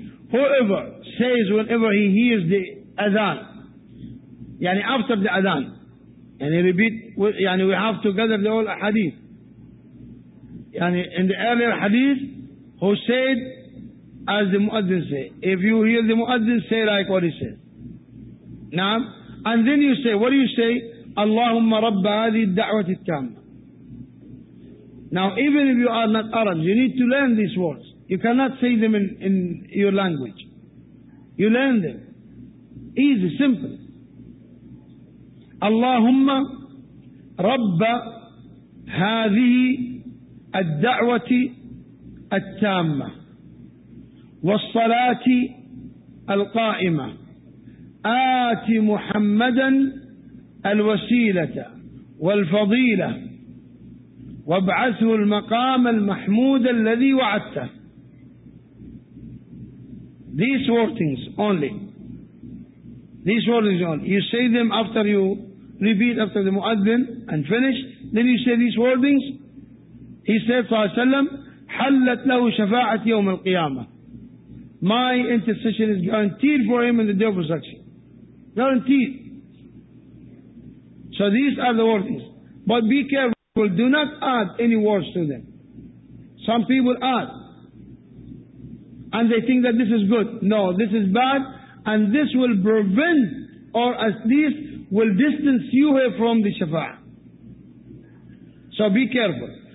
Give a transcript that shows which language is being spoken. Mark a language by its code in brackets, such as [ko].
[en] Whoever says whenever he hears the Adhan, يعني after the Adhan, يعني repeat, يعني we have to gather the whole hadith. يعني in the earlier hadith, who said, as the Muaddin said, if you hear the Muaddin, say like what he said. [ar] نعم. [en] And then you say, what do you say? [ar] اللهم رب هذه الدعوة التامة. [en] Now even if you are not Arabs, you need to learn these words. You cannot say them in your language. You learn them. Easy, simple. [ar] اللهم رب هذه الدعوة التامة. والصلاة القائمة، آت محمدا الوسيلة والفضيلة، وابعثه المقام المحمود الذي وعدته. [en] These four things only. These four things only. You say them after you repeat after the muadzin and finish. Then you say these four things. He said, [ar] صلى الله عليه وسلم, حلت له شفاعة يوم القيامة. [en] My intercession is guaranteed for him in the day of resurrection. Guaranteed. So these are the four things. But be careful. Do not add any words to them. Some people add. And they think that this is good. No, this is bad. And this will prevent, or at least will distance you away from the shafa'ah. So be careful.